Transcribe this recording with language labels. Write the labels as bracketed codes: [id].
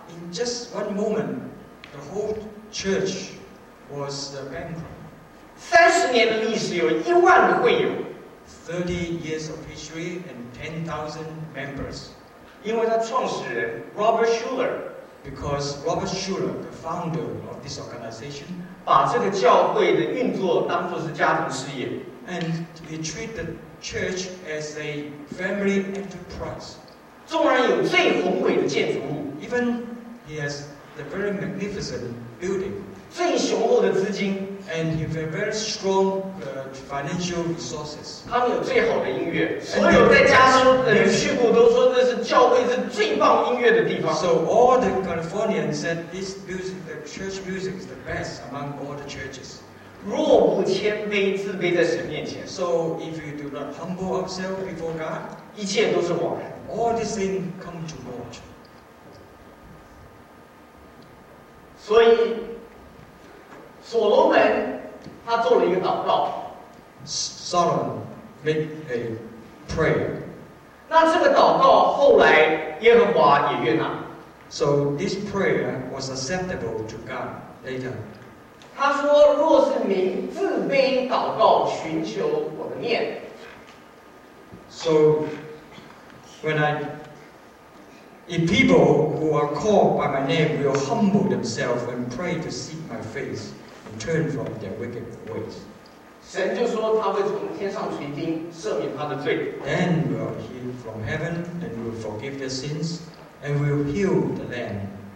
[en] In just one moment, the whole church was bankrupt. [zh] 30年的历史有1万会友。 [en] 30 years of history and 10,000 members. [zh] 因为他创始人 Robert Schuller, [en] because Robert Schuller, the founder of this organization, [zh] 把这个教会的运作当作是家庭事业。 [en] And he treated the church as a family enterprise. [zh] 纵然有最宏伟的建筑物, [en] even he has the very magnificent building, [zh] 最雄厚的资金, [en] and he has very strong financial resources. [zh] 他们有最好的音乐，所有在加州的叙述都说那是教会是最棒音乐的地方。 [en] So all the Californians said this music, the church music, is the best among all the churches. [zh] 若不谦卑自卑在神面前, [en] so if you do not humble yourself before God, [zh] 一切都是枉然。 [en] All these things come to naught. [zh] 所以所罗门他做了一个祷告。 [en] Solomon made a prayer. [zh] 那这个祷告后来耶和华也悦纳。 [en] So this prayer was acceptable to God later. [zh] 他说若是您自卑祷告寻求我的面, [en] so when I, if people who are called by my name will humble themselves and pray to seek my face and turn from their wicked ways, [zh] 神就说他会从天上垂听赦免他的罪, [en] then will heal from heaven and will forgive their sins and will heal the land.